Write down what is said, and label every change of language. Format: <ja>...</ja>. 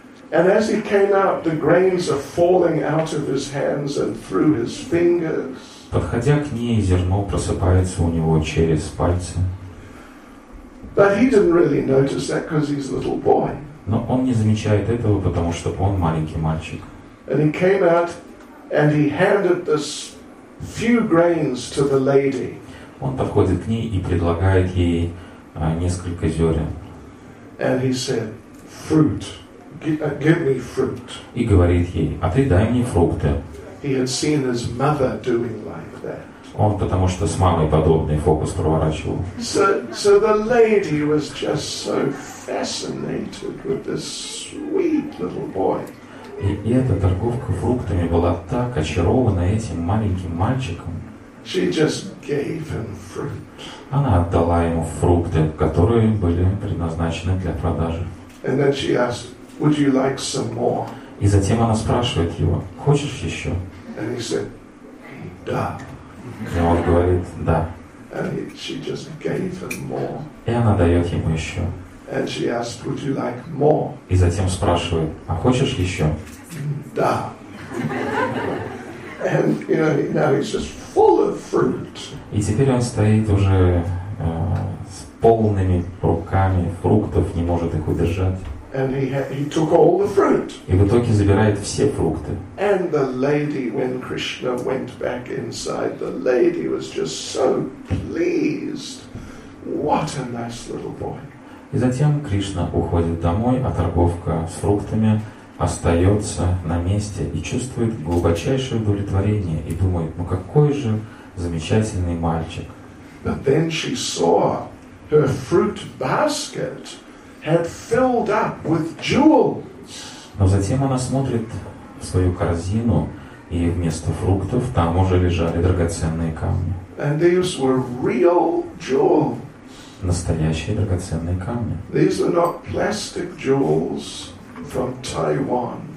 <en>And as he came out, the grains are falling out of his hands and through his fingers.</en> <ru>Подходя к ней, зерно просыпается у него через пальцы.</ru> <en>But he didn't really notice that because he's a little boy.</en> <ru>Но он не замечает этого, потому что он маленький мальчик.</ru> <en>And he came out and he handed this few grains to the lady.</en> <ru>Он подходит к ней и предлагает ей несколько зерен.</ru> <en>And he said, fruit. Give me fruit.</en> <ru>И говорит ей, а ты дай мне фрукты.</ru> <en>He had seen his mother doing like that.</en> <ru>Он потому что с мамой подобный фокус проворачивал.</ru> <en>So the lady was just so fascinated with this sweet little boy.</en> <ru>И эта торговка фруктами была так очарована этим маленьким мальчиком.</ru> <en>She just gave him fruit.</en> <ru>Она отдала ему фрукты, которые были предназначены для продажи.</ru> <en>And then she asked, would you like some more?</en> <ru>И затем она спрашивает его, хочешь еще?</ru> <en>And he said,</en> <ru>да. И он говорит, да.</ru> <en>And she just gave him more.</en> <ru>И она дает ему еще.</ru> <en>And she asked, would you like more?</en> <ru>И затем спрашивает, а хочешь еще? Да.</ru> <en>And you know, now he's just full of fruit.</en> <ru>И теперь он стоит уже с полными руками фруктов, не может их удержать.</ru> <en>And he took all the fruit.</en> <ru>И в итоге забирает все фрукты.</ru> <en>And the lady, when Krishna went back inside, the lady was just so pleased. What a nice little boy.</en> <ru>И затем Кришна уходит домой, а торговка с фруктами остается на месте и чувствует глубочайшее удовлетворение и думает, ну какой же замечательный мальчик.</ru> <en>But then she saw her fruit basket had filled up with jewels.</en> <ru>Но затем она смотрит в свою корзину, и вместо фруктов там уже лежали драгоценные камни.</ru> <en>And these were real jewels.</en> <ru>Настоящие драгоценные камни.</ru> <en>These are not plastic jewels from Taiwan.</en>